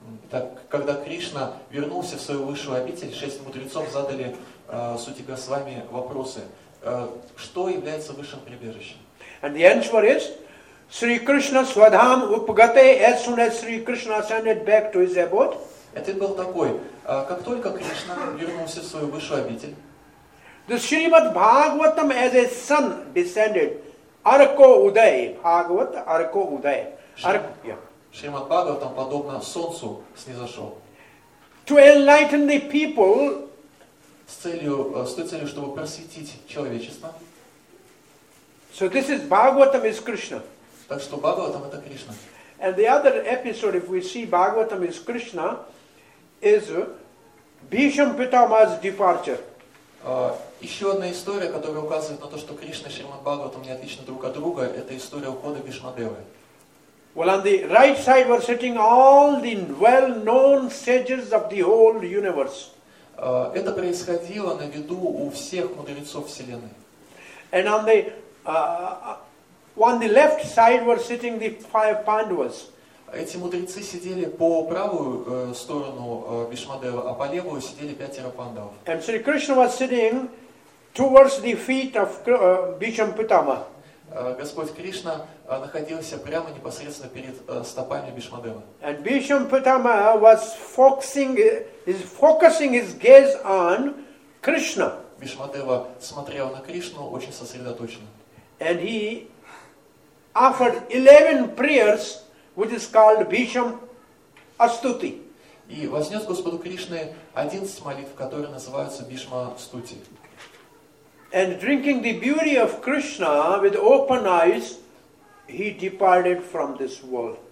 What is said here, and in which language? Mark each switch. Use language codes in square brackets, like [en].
[ru] Так, когда Кришна вернулся в свою высшую обитель, шесть мудрецов задали Сути Госвами вопросы, что является высшим прибежищем? [en] And the answer is, [sa] Sri Krishna Swadham Upagate, [en] as soon as Sri Krishna ascended back to his abode. [ru] Ответ был такой, как только Кришна вернулся в свою высшую обитель, [en] the Srimad Bhagavatam as a sun descended. [sa] Arko Uday. Bhagavat, Arko Uday. [ru] Srimad Bhagavatam, подобно солнцу, снизошел. [en] To enlighten the people. [ru] С той целью, чтобы просветить человечество. [en] So this is Bhagavatam is Krishna. [ru] Так что Бхагаватам это Кришна. [en] And the other episode, if we see Bhagavatam is Krishna, is Bhisham Pitamaha's departure. [ru] Еще одна история, которая указывает на то, что Кришна и Шримад Бхагаватам не отличны друг от друга, это история ухода Бишмадевы. [en] Well, on the right side were sitting all the well-known sages of the whole universe. [ru] Это происходило на виду у всех мудрецов Вселенной. [en] And on the left side were sitting the five Pandavas. [ru] Эти мудрецы сидели по правую сторону Бишмадевы, а по левую сидели пятеро пандавов. [en] And Sri Krishna was sitting towards the feet of Bhisham Pitama. [ru] Господь Кришна находился прямо непосредственно перед стопами Бишмадевы. [en] And Bhisham Pitama was focusing his gaze on Krishna. [ru] Бишмадева смотрел на Кришну очень сосредоточенно. [en] And he offered 11 prayers, which is called Bhisham Astuti. [ru] И вознес Господу Кришне 11 молитв, которые называются Бишма Стути. [en] And drinking the beauty of Krishna with open eyes, he departed from this world.